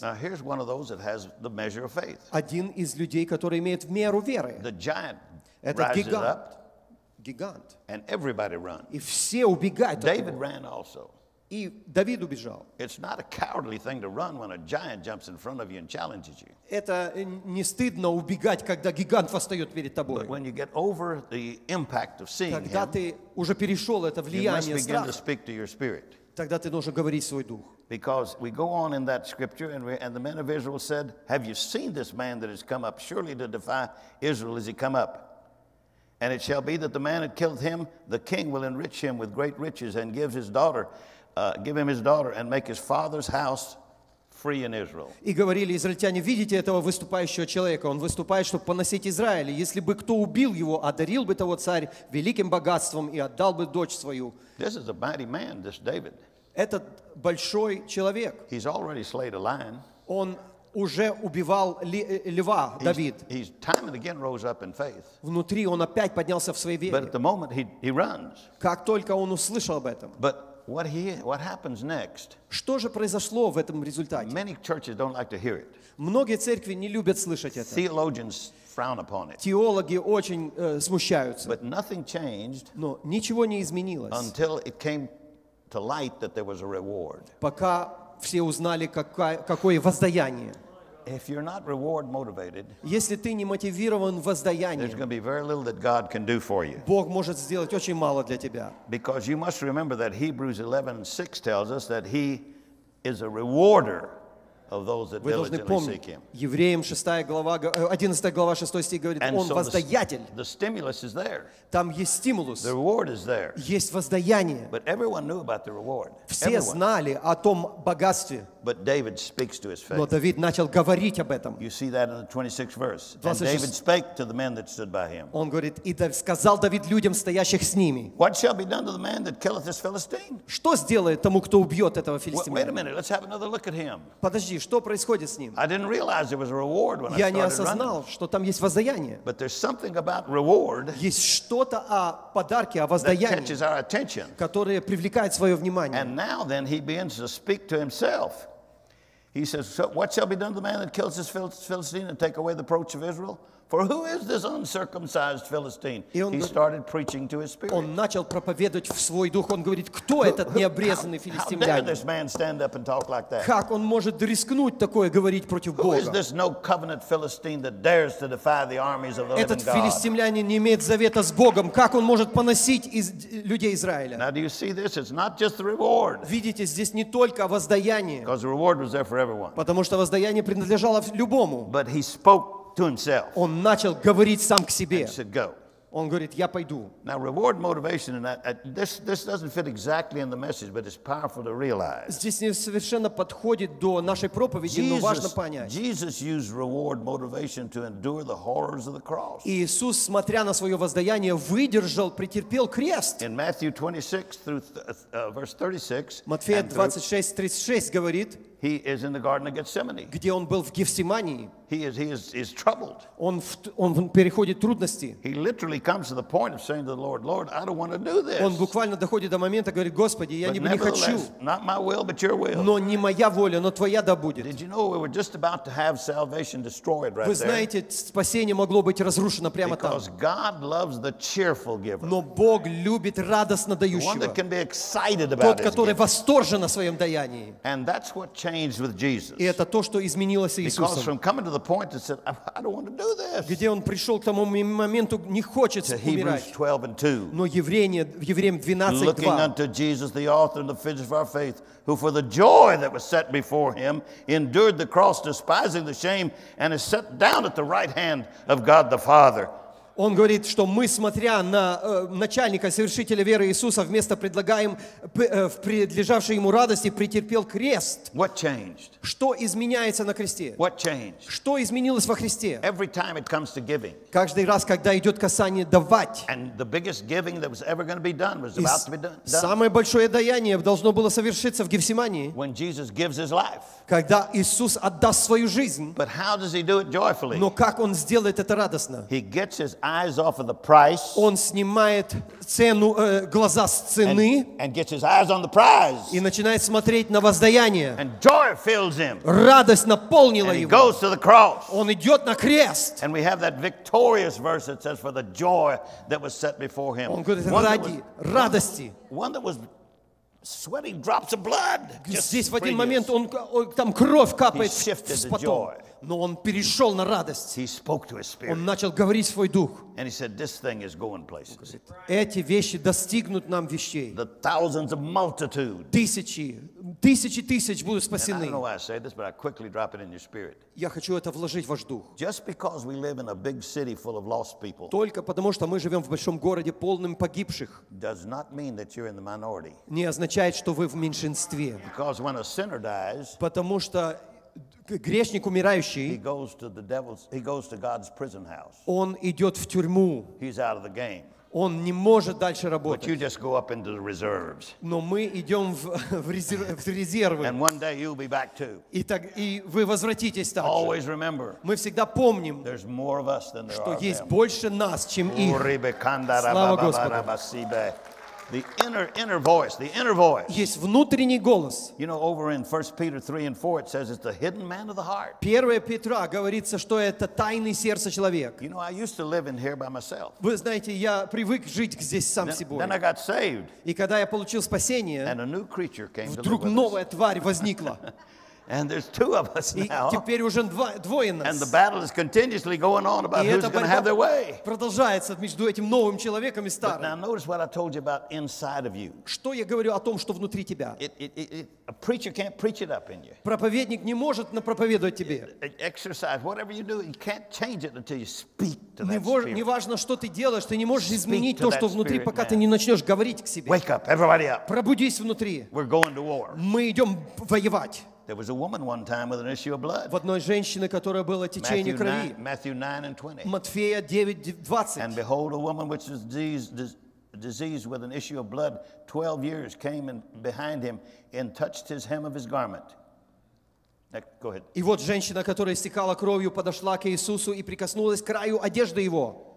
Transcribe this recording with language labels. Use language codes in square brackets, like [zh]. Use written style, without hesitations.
[en] Now here's one of those that has the measure of faith. [ru] Один из людей, который имеет меру веры. [en] The giant rises up. [ru] Гигант. [en] And everybody run. [ru] И все убегают. [en] David ran also. [ru] И Давид убежал. [en] It's not a cowardly thing to run when a giant jumps in front of you and challenges you. [ru] Это не стыдно убегать, когда гигант восстает перед тобой. [en] But when you get over the impact of seeing him, [ru] когда ты уже перешел это влияние страха, [en] you must begin to speak to your spirit. [ru] Тогда ты должен говорить свой дух. [en] Because we go on in that scripture, and the men of Israel said, "Have you seen this man that has come up? Surely to defy Israel has he come up?" And it shall be that the man that killeth him, the king will enrich him with great riches and give his daughter, give him his daughter and make his father's house free in Israel. [ru] И говорили израильтяне: видите этого выступающего человека? Он выступает, чтобы поносить Израиль. Если бы кто убил его, одарил бы того царь великим богатством и отдал бы дочь свою. [en] This is a mighty man, this David. [ru] Этот большой человек. [en] He's already slayed a lion. [ru] Он уже убивал льва, Давид. [en] He's time and again rose up in faith. [ru] Внутри он опять поднялся в своей вере. [en] But at the moment he runs. [ru] Как только он услышал об этом. [en] But what happens next? [ru] Что же произошло в этом результате? [en] Many churches don't like to hear it. [ru] Многие церкви не любят слышать это. [en] Theologians frown upon it. [ru] Теологи очень смущаются. [en] But nothing changed. [ru] Но ничего не изменилось. [en] Until it came to light that there was a reward. [ru] Пока все узнали, какое воздаяние. [en] If you're not reward motivated, [ru] если ты не мотивирован воздаянием, [en] there's going to be very little that God can do for you. [ru] Бог может сделать очень мало для тебя. [en] Because you must remember that Hebrews 11:6 tells us that He is a rewarder of those that diligently seek Him. [ru] Вы должны помнить, Евреям 6 глава, 11 глава 6 стих говорит, Он воздаятель. [en] The stimulus is there. [ru] Там есть стимулус. [en] The reward is there. [ru] Есть воздаяние. [en] But everyone knew about the reward. [ru] Все знали о том богатстве. [en] But David speaks to his faith. [ru] Но Давид начал говорить об этом. [en] You see that in the 26th verse. And David spake to the men that stood by him. [ru] Он говорит, и сказал Давид людям, стоящих с ними. [en] What shall be done to the man that killeth this Philistine? [ru] Что сделает тому, кто убьет этого филистимлянина? [en] Wait a minute, let's have another look at him. [ru] Подожди, что происходит с ним? [en] I didn't realize there was a reward when I started running. [ru] Я не осознал, что там есть воздаяние. [en] But there's something about reward. [ru] Есть что-то о подарке, о воздаянии. [en] That catches our attention. [ru] Которое привлекает свое внимание. [en] And now then he begins to speak to himself. He says, so what shall be done to the man that kills this Philistine and take away the reproach of Israel? For who is this uncircumcised Philistine? He started preaching to his spirit. [ru] Он начал проповедовать в свой дух. Он говорит, кто этот необрезанный филистимлянин? [en] How dare this man stand up and talk like that? [ru] Как он может рискнуть такое говорить против Бога? [en] Who is this no covenant Philistine that dares to defy the armies of the living God? [ru] Этот филистимлянин не имеет завета с Богом. Как он может поносить из людей Израиля? [en] Now do you see this? It's not just the reward. [ru] Видите, здесь не только воздаяние. [en] Because the reward was there for everyone. [ru] Потому что воздаяние принадлежало любому. [en] But he spoke to himself. [ru] Он начал говорить сам к себе. [en] And said, "Go." [ru] Он говорит, я пойду. [en] Now reward motivation and this doesn't fit exactly in the message, but it's powerful to realize. [ru] Здесь не совершенно подходит до нашей проповеди, но важно понять. [en] Jesus used reward motivation to endure the horrors of the cross. [ru] Иисус, смотря на свое воздаяние, выдержал, претерпел крест. [en] In Matthew 26 through verse 36. [ru] Матфея 26:36 говорит. [en] He is in the Garden of Gethsemane. [ru] Где он был в Гефсимании. [en] He is troubled. [ru] Он переходит трудности. [en] He literally comes to the point of saying to the Lord, Lord, I don't want to do this. [ru] Он буквально доходит до момента, говорит, Господи, я не хочу. [en] Not my will, but your will. [ru] Но не моя воля, но твоя да будет. [en] Did you know we were just about to have salvation destroyed right there? [ru] Вы знаете, спасение могло быть разрушено прямо там. [en] Because God loves the cheerful giver. [ru] Но Бог любит радостно дающего. [en] One that can be excited about it. [ru] Тот, который восторжен на своем даянии. [en] And that's what changed with Jesus. [ru] И это то, что изменилось с Иисусом. [en] Because from coming to the point that said, I don't want to do this. [ru] Где он пришел к тому моменту, не хочет умирать. [en] Hebrews 12:2. [ru] Но евреям 12:2. [en] Looking unto Jesus, the author and the finisher of our faith, who for the joy that was set before him endured the cross, despising the shame, and is set down at the right hand of God the Father. [ru] Он говорит, что мы, смотря на начальника, совершителя веры Иисуса, вместо предлагаем в предлежавшей ему радости, претерпел крест. [en] What changed? [ru] Что изменяется на кресте? [en] What changed? [ru] Что изменилось во Христе? [en] Every time it comes to giving. [ru] Каждый раз, когда идет касание давать. [en] And the biggest giving that was ever going to be done was about to be done. [ru] Самое большое даяние должно было совершиться в Гефсимании. [en] When Jesus gives his life. [ru] Когда Иисус отдаст свою жизнь. [en] But how does he do it joyfully? [ru] Но как он сделает это радостно? [en] He gets his eyes off of the price. [ru] Он снимает цену, глаза с цены. [en] And gets his eyes on the prize. [ru] И начинает смотреть на воздаяние. [en] And joy fills him. [ru] Радость наполнила [en] and [ru] его. [en] He goes to the cross. [ru] Он идет на крест. [en] And we have that victorious verse that says, "For the joy that was set before him." [ru] Он говорит, ради радости. [en] One that was sweating drops of blood. [ru] Здесь в один момент он там кровь капает с потом. Но он перешел на радость. [en] He spoke to his spirit. [ru] Он начал говорить свой дух. [en] And he said, "This thing is going places." [ru] Говорит, эти вещи достигнут нам вещей. [en] The thousands of multitude. [ru] Тысячи, Тысячи тысяч будут спасены. [en] And I don't know why I say this, but I quickly drop it in your spirit. [ru] Я хочу это вложить в ваш дух. [en] Just because we live in a big city full of lost people. [ru] Только потому что мы живем в большом городе полным погибших. [en] Does not mean that you're in the minority. [ru] Не означает, что вы в меньшинстве. [en] Because when a sinner dies. [ru] Потому что грешник умирающий. [en] He goes to the devil's. He goes to God's prison house. [ru] Он идет в тюрьму. [en] He's out of the game. [ru] Он не может дальше работать. [en] But you just go up into the reserves. [ru] Но мы идем в резервы. [en] And one day you'll be back too. [ru] И так и вы возвратитесь также. [en] Always remember. [ru] Мы всегда помним. [en] There's more of us than there [ru] что [en] are [ru] Что есть больше нас, чем их. Слава Господу. [en] The inner voice. [ru] Есть внутренний голос. [en] You know, over in 1 Peter 3 and 4, it says it's the hidden man of the heart. [ru] 1 Петра говорится, что это тайное сердце человека. [en] You know, I used to live in here by myself. [ru] Вы знаете, я привык жить здесь сам собой. [en] Then I got saved. [ru] И когда я получил спасение, [en] and a new creature came to live. [ru] Вдруг новая тварь возникла. [en] And there's two of us now. [ru] И теперь уже двое нас. [en] And the battle is continuously going on about who's going to have their way. [ru] Продолжается между этим новым человеком и старым. [en] But now notice what I told you about inside of you. [ru] Что я говорю о том, что внутри тебя? [en] A preacher can't preach it up in you. [ru] Проповедник не может напроповедовать тебе. [en] Exercise, whatever you do, you can't change it until you speak to that spirit. [ru] Неважно, что ты делаешь, ты не можешь изменить то, что внутри, пока ты не начнешь говорить к себе. [en] Wake up, everybody up. [ru] Пробудись внутри. [en] We're going to war. [ru] Мы идем воевать. [en] There was a woman one time with an issue of blood. [ru] В одной женщине, которая была течение крови. [en] Matthew 9:20. [ru] Матфея 9:20. [en] And behold, a woman which was diseased with an issue of blood 12 years came in behind him and touched his hem of his garment. Go ahead. [ru] И вот женщина, которая истекала кровью, подошла к Иисусу и прикоснулась к краю одежды его.